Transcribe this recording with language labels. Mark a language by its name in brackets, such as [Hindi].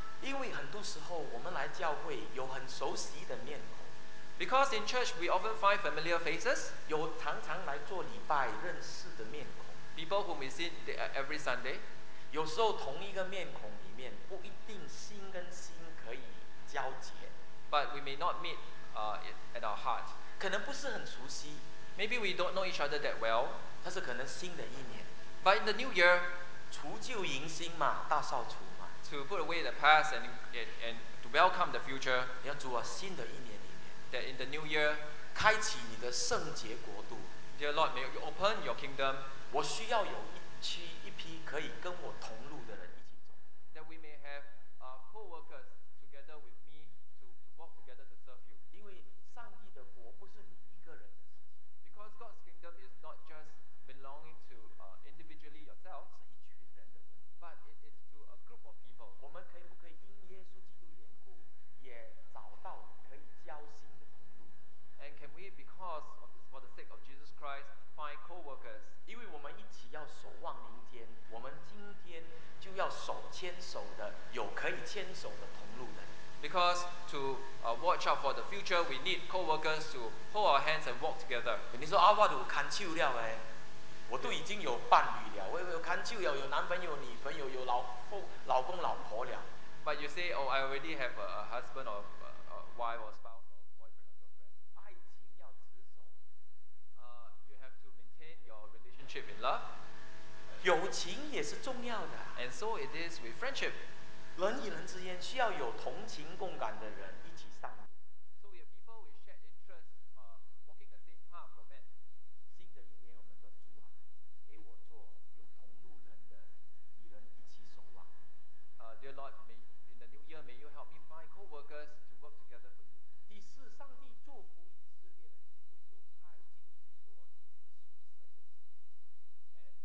[Chinese] 因为很多时候我们来教会有很熟悉的面孔。 [English] Because in church we often find familiar faces. [Chinese] 有常常来做礼拜认识的面孔。 [English] People whom we see every Sunday. [Chinese] 有时候同一个面孔里面不一定心跟心可以交接。 [English] But we may not meet at our heart. [Chinese] 可能不是很熟悉。 [English] Maybe we don't know each other that well. [Chinese] 但是可能新的一年。 [English] But in the new year, [Chinese] 除旧迎新嘛，大扫除嘛。 [English] To put away the past and to welcome the future. [Chinese] 你要主啊，新的一年里面。 [English] That in the new year, [Chinese] 开启你的圣洁国度。 [English] Dear Lord, may you open your kingdom. [Chinese] 我需要有一批可以跟我同路的人一起走。 [English] That we may have co-workers together with me to walk together to serve you. [Chinese] 因为上帝的国不是你。 [English] Because God's kingdom is not just belonging to individually yourself, but it is to a group of people. [Chinese] 我们可以不可以因耶稣基督缘故，也找到可以交心的同路？ [English] And can we, because of this, for the sake of Jesus Christ, find co-workers? [Chinese] 因为我们一起要守望明天，我们今天就要手牵手的有可以牵手的同路人。 [English] Because to watch out for the future, we need co-workers to hold our hands and walk together. [Chinese] 你说啊，我都看旧了哎，我都已经有伴侣了，我有看旧了，有男朋友、女朋友，有老公、老婆了。 [English] But you say, oh, I already have a husband or a wife or spouse or boyfriend or girlfriend. [Chinese] 爱情要持守。 [English] You have to maintain your relationship in love. [Chinese] 友情也是重要的。 [English] And so it is with friendship. [Chinese] 人与人之间需要有同情共感的人一起上路。 [English] So we have people with shared interest, walking the same path for men. [Chinese] 新的一年，我们说主啊，给我做有同路人的，与人一起守望。 [English] Dear Lord, in the new year, may you help me find co-workers to work together for you. [Chinese] 第四，上帝祝福以色列人，祝福犹太基督徒说，你是属神的。